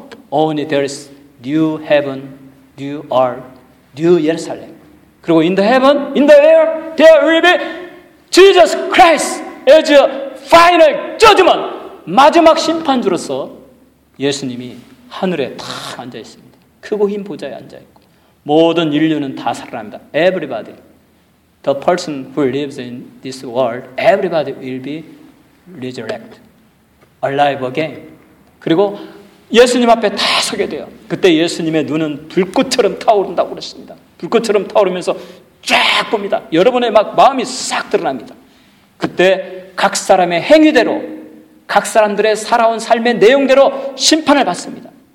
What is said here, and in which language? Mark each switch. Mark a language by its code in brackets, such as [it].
[en] Only there is new heaven, new earth, new Jerusalem. [ko] 그리고 [en] in the heaven, in the air, there will be Jesus Christ as a final judgment. [ko] 마지막 심판주로서 예수님이 하늘에 탁 앉아있습니다. 크고 흰 보좌에 앉아있고 모든 인류는 다 살아납니다. [en] Everybody. The person who lives in this world, everybody will be resurrected. Alive again. [ko] 그리고 예수님 앞에 다 서게 돼요. 그때 예수님의 눈은 불꽃처럼 타오른다고 그랬습니다. 불꽃처럼 타오르면서 쫙 봅니다. 여러분의 막 마음이 싹 드러납니다. 그때 각 사람의 행위대로, 각 사람들의 살아온 삶의 내용대로 심판을 받습니다.